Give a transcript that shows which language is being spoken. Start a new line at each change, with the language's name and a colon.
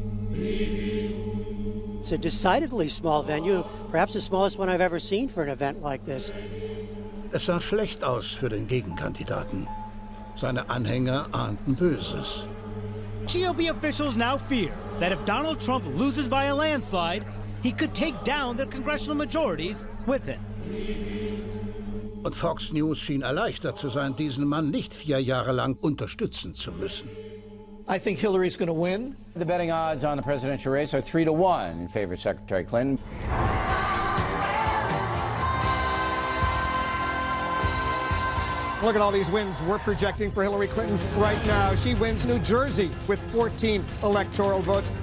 English: It's a decidedly small venue, perhaps the smallest one I've ever seen for an event like this.
German: Es sah schlecht aus für den Gegenkandidaten. Seine Anhänger ahnten Böses.
English: GOP officials now fear that if Donald Trump loses by a landslide, he could take down their congressional majorities with him.
German: Und Fox News schien erleichtert zu sein, diesen Mann nicht 4 Jahre lang unterstützen zu müssen.
English: I think Hillary's going to win. The betting odds on the presidential race are 3-1 in favor of Secretary Clinton. Look at all these wins we're projecting for Hillary Clinton right now. She wins New Jersey with 14 electoral votes.